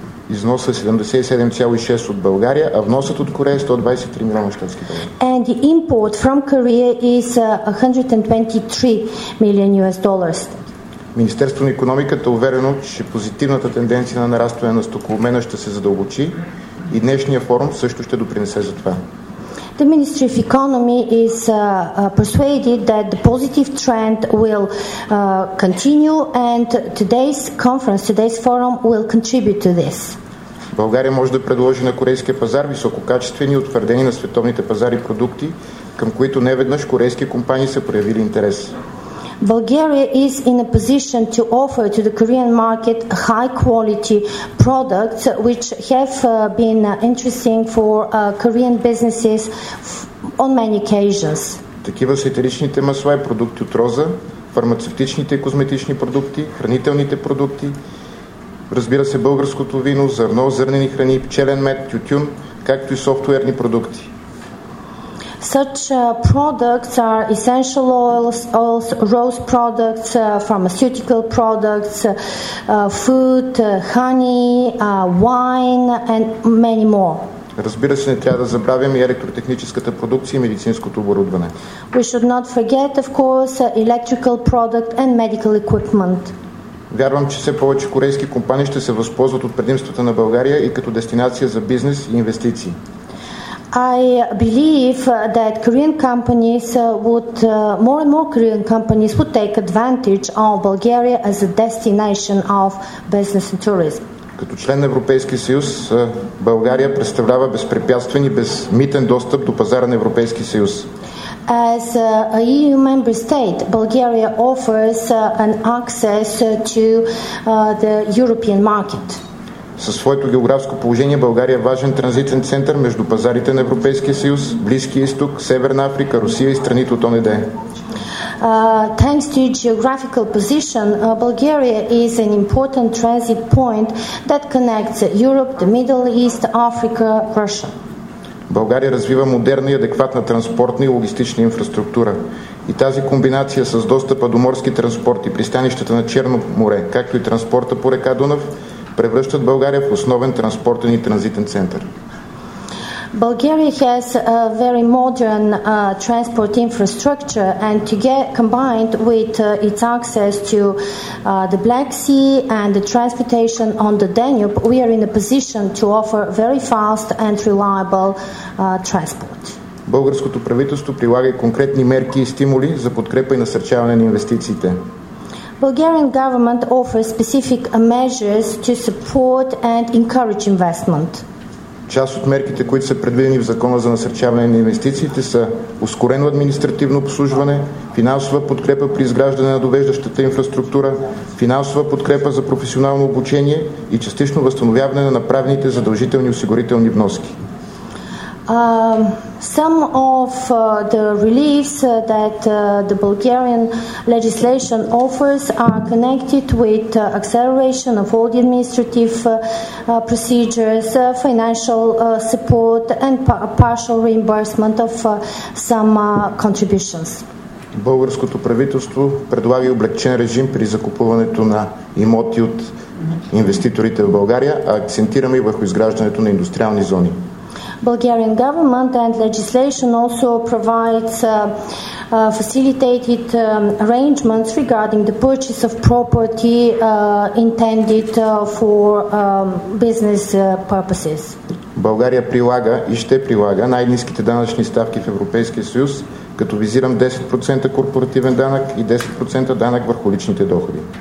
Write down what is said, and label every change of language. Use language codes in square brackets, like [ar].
[bg] Износът е 77,6 от България, а вносът от Корея е 123 милиона щатски долара. [en] And the import from Korea is $123 million. [bg] Министерство на икономиката е уверено, че позитивната тенденция на нарастване на стокообмена ще се задълбочи и днешния форум също ще допринесе за това. [en] The Ministry of Economy is persuaded that the positive trend will continue and today's conference, today's forum will contribute to this. [bg] България може да предложи на корейския пазар висококачествени и утвърдени на световните пазари продукти, към които неведнъж корейски компании са проявили интерес. [en] Bulgaria is in a position to offer to the Korean market high quality products which have been interesting for Korean businesses on many occasions. [bg] Такива са етеричните масла и продукти от роза, фармацевтичните и козметични продукти, хранителните продукти, разбира се, българското вино, зърно, зърнени храни, пчелен мед, тютюн, както и софтуерни продукти. [en] Such products are essential oils, oils, rose products, pharmaceutical products, food, honey, wine and many more. [bg] Разбира се, не трябва да забравяме електротехническата продукция и медицинското оборудване. [en] We should not forget, of course, electrical product and medical equipment. [bg] Вярвам, че все повече корейски компании ще се възползват от предимствата на България и като дестинация за бизнес и инвестиции. [en] I believe that Korean companies would more and more Korean companies would take advantage of Bulgaria as a destination of business and tourism. [bg] Като член на Европейския съюз, България представлява безпрепятствен и безмитен достъп до пазара на Европейския съюз. [en] As a EU member state, Bulgaria offers an access to the European market. [bg] Със своето географско положение България е важен транзитен център между пазарите на Европейския съюз, Близкия изток, Северна Африка, Русия и страните от ОНД. [en] Thanks to geographical position, Bulgaria is an important transit point that connects Europe, the Middle East, Africa, Russia. [bg] България развива модерна и адекватна транспортна и логистична инфраструктура. И тази комбинация с достъпа до морски транспорт и пристанищата на Черно море, както и транспорта по река Дунав, превръщат България в основен транспортен и транзитен център. [en] Bulgaria has a very modern transport infrastructure and to get combined with its access to the Black Sea and the transportation on the Danube, we are in a position to offer very fast and reliable transport. [bg] Българското правителство прилага и конкретни мерки и стимули за подкрепа и насърчаване на инвестициите. [en] Bulgarian government offers specific measures to support and encourage investment. [bg] Част от мерките, които са предвидени в Закона за насърчаване на инвестициите, са ускорено административно обслужване, финансова подкрепа при изграждане на довеждащата инфраструктура, финансова подкрепа за професионално обучение и частично възстановяване на направените задължителни осигурителни вноски. [en] Some of the reliefs that the Bulgarian legislation offers are connected with acceleration of all the administrative procedures, financial support and partial reimbursement of some contributions. [bg] Българското правителство предлага и облекчен режим при закупуването на имоти от инвеститорите в България, а акцентираме и върху изграждането на индустриални зони. [en] Bulgarian government and legislation also provides facilitated arrangements regarding the purchase of property intended for business purposes. [bg] България прилага и ще прилага най-ниските данъчни ставки в Европейския съюз, като визирам 10% корпоративен данък и 10% данък върху личните доходи.